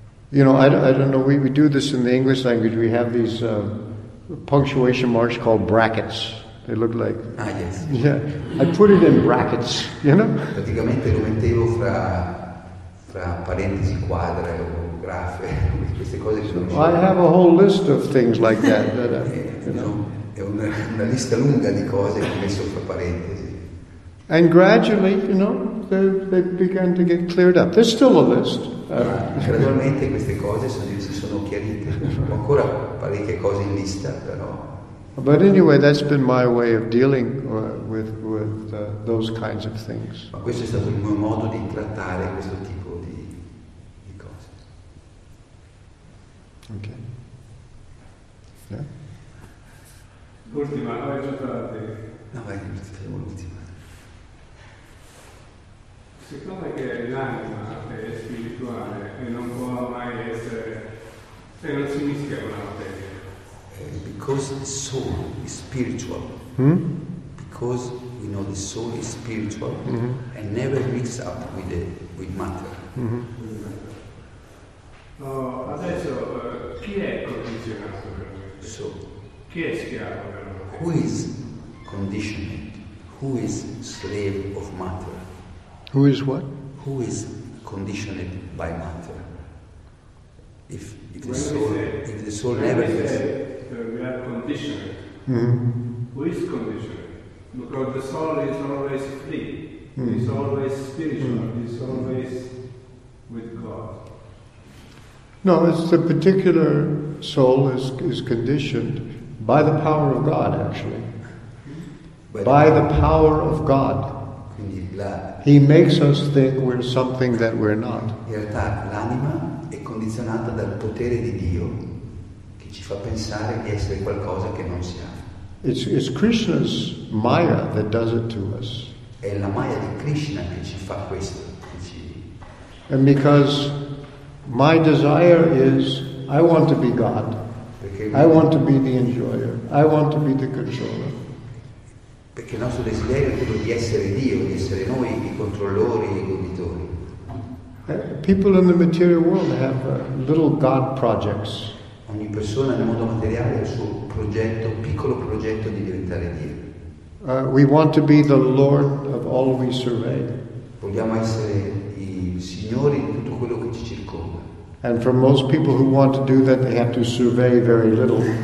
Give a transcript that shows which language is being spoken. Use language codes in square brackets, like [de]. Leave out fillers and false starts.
[en] You know, I don't know, we do this in the English language, we have these punctuation marks called brackets. They look like... Ah, yes. Yeah, I put it in brackets, you know? [it] Praticamente lo mettevo fra parentesi quadre o grafe, queste cose che sono... [en] I have a whole list of things like that. [it] È una lista lunga di cose che ho messo fra parentesi. [en] And gradually, you know, they began to get cleared up. There's still a list. [it] Gradualmente queste cose si sono chiarite. Ancora parecchie cose in lista, però. [en] But anyway, that's been my way of dealing with those kinds of things. [it] Ma questo è stato il mio modo di trattare questo tipo di cose. [en] Ok. [it] L'ultima, yeah. Vai giusto da te. No, vai giusto, te l'ultima. Siccome che l'anima è spirituale e non può mai essere, se non si mischia con la materia. [en] Because the soul is spiritual. Because we know the soul is spiritual and never mix up with matter. [it] Adesso chi è condizionato per me? [en] So, [it] chi è schiavo per me? [en] Who is conditioned? Who is slave of matter? Who is what? Who is conditioned by matter? We are conditioned. Who is conditioned? Because the soul is always free. It's always spiritual. It's always with God. No, it's the particular soul is conditioned by the power of God, actually. By the power of God. He makes us think we're something that we're not. [it] In realtà l'anima è condizionata dal potere di Dio che ci fa pensare di essere qualcosa che non siamo. [en] It's Krishna's Maya that does it to us. [it] È la Maya di Krishna che ci fa questo. [en] And because my desire is, I want to be God. I want to be the enjoyer. I want to be the controller. [it] Perché il nostro desiderio è quello di essere Dio, di essere noi i controllori e i goditori. [en] People in the material world have little God projects. [it] Ogni persona nel mondo materiale ha il suo progetto, piccolo progetto di diventare Dio. [en] We want to be the Lord of all we survey. [it] Vogliamo essere I signori di tutto quello che ci circonda. [en] And for most people who want to do that, they have to survey very little.